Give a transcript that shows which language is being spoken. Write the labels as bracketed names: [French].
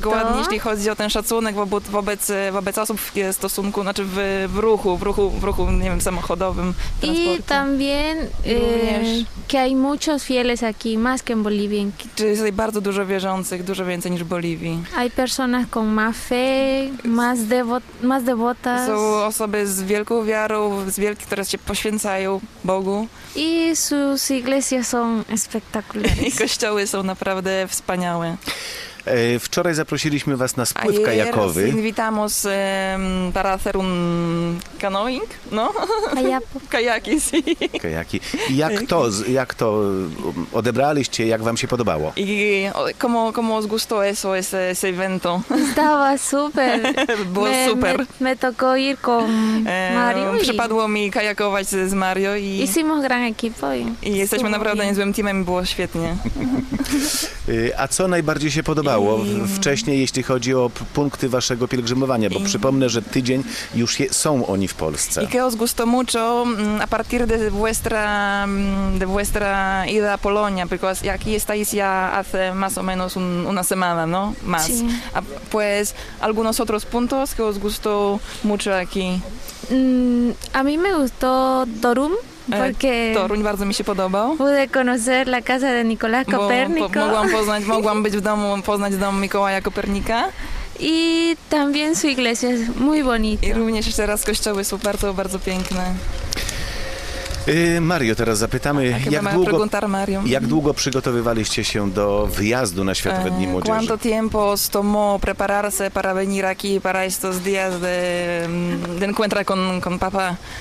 [Polish] Dokładnie, jeśli chodzi o ten szacunek wobec osób w stosunku, znaczy w ruchu, nie wiem, samochodowym. [Spanish] I también, que hay muchos fieles aquí, más que en Bolivia. [Polish] Czyli jest bardzo dużo wierzących, dużo więcej niż w Bolivii. [Spanish] Hay personas con más fe, más devotas. [Polish] Są osoby z wielką wiarą, z wielkich, które się poświęcają Bogu. [Spanish] I sus iglesias son espectaculares. [Polish] I kościoły są naprawdę wspaniałe. Wczoraj zaprosiliśmy was na spływ kajakowy. [Spanish] Ayer invitamos para hacer un canoeing, no? Kajaki, sí. [Polish] Kajaki. I jak to odebraliście, jak wam się podobało? [Spanish] I como os gustó eso, ese evento? Estaba super. [Polish] Było super. [Spanish] Me tocó ir con Mario. [Polish] Przypadło mi kajakować z Mario. I [Spanish] hicimos gran equipo. [Polish] I jesteśmy naprawdę niezłym teamem, było świetnie. A co najbardziej się podobało wcześniej, jeśli chodzi o punkty waszego pielgrzymowania? Bo przypomnę, że tydzień już są oni w Polsce. [Spanish] I que os gustó mucho a partir de vuestra ida a Polonia, porque aquí estáis ya hace más o menos una semana, no? Más. Sí. Pues, algunos otros puntos que os gustó mucho aquí. A mí me gustó Torun. Porque [Polish] Toruń bardzo mi się podobał. [Spanish] Pude conocer la casa de Nicolás Copérnico. [Polish] Mogłam być w domu, poznać dom Mikołaja Kopernika. [Spanish] I también su iglesia es muy bonita. [Polish] I również jeszcze raz kościoły są bardzo, bardzo piękne. Mario, teraz zapytamy, jak długo przygotowywaliście się do wyjazdu na Światowe Dni Młodzieży? [Spanish] ¿Cuánto tiempo os tomó prepararse para venir aquí para estos días de encuentro con papá?